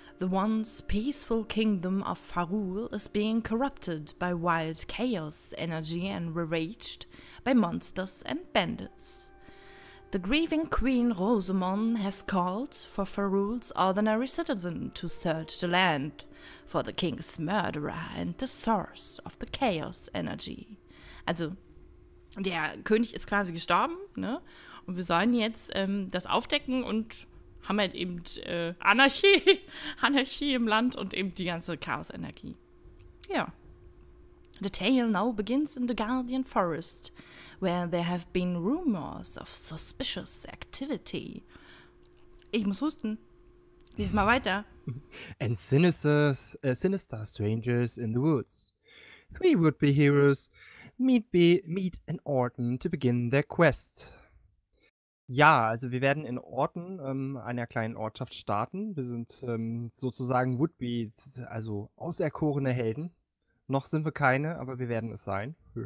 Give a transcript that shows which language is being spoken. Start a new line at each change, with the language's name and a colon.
English: The once peaceful kingdom of Farul is being corrupted by wild chaos energy and ravaged by monsters and bandits. The grieving Queen Rosamond has called for Farul's ordinary citizen to search the land for the king's murderer and the source of the chaos energy.
German: Also, der König ist quasi gestorben, ne? Und wir sollen jetzt das aufdecken und haben halt eben Anarchie im Land und eben die ganze Chaos-Energie. Ja.
English: The tale now begins in the Guardian Forest, where there have been rumors of suspicious activity.
German: Ich muss husten. Lies mal weiter.
English: And sinister strangers in the woods. Three would-be heroes meet in Orton to begin their quest.
German: Ja, also wir werden in Orton, einer kleinen Ortschaft, starten. Wir sind sozusagen would-be, also auserkorene Helden. Noch sind wir keine, aber wir werden es sein.